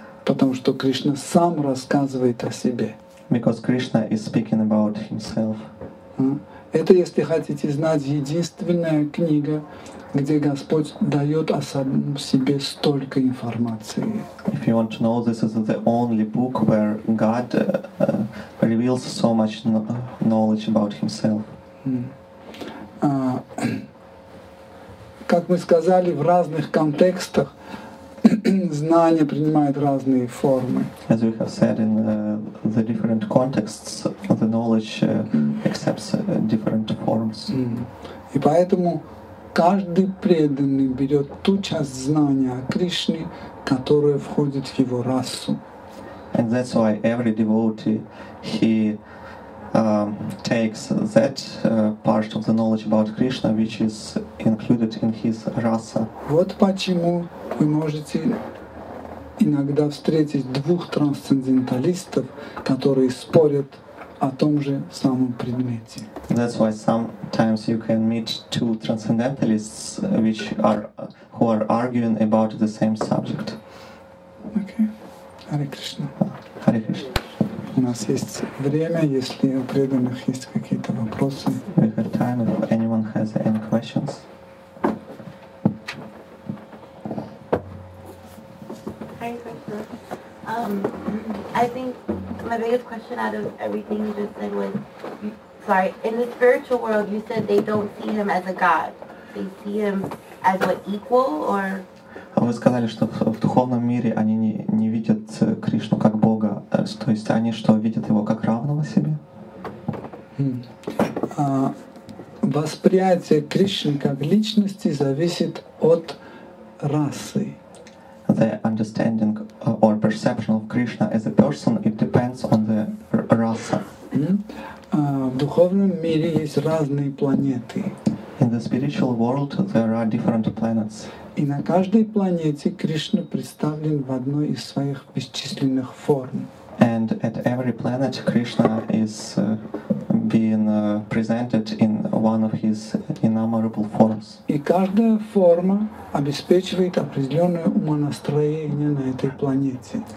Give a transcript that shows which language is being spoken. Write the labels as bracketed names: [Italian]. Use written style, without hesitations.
[Russian] Потому что Кришна сам рассказывает о себе. [English] Because Krishna is speaking about himself. [Russian] Это, если хотите знать, единственная книга, где Господь дает о себе столько информации. [English] If you want to know, this is the only book where God reveals so much knowledge about himself. [Russian] Как мы сказали, в разных контекстах знания принимают разные формы. [English] As we have said, in the different contexts, the knowledge accepts different forms. [Russian] И поэтому каждый преданный берет ту часть знания о Кришне, которая входит в его расу. [English] And that's why every devotee, he takes that part of the knowledge about Krishna, which is included in his rasa. [Russian] Вот почему вы можете иногда встретить двух трансценденталистов, которые спорят о том же самом предмете. [English] That's why sometimes you can meet two transcendentalists who are arguing about the same subject. Okay. Hare Krishna. Hare Krishna. [Russian] У нас есть время, если у преданных есть какие-то вопросы. [English] We have time if anyone has any questions. I think my biggest question out of everything you just said was, in the spiritual world, you said they don't see him as a god. They see him as what, equal or? [Russian] Вы сказали, что в духовном мире они не видят Кришну как Бога, то есть они что, видят его как равного себе? Восприятие Кришны как личности зависит от расы. [English] The understanding or perception of Krishna as a person, it depends on the rasa. [Russian] В духовном мире есть разные планеты. [English] In the spiritual world there are different planets. [Russian] И на каждой планете Кришна представлен в одной из своих бесчисленных форм. [English] And at every planet Krishna is being presented in one of his innumerable forms. [Russian] И каждая форма обеспечивает определенное умонастроение на этой планете.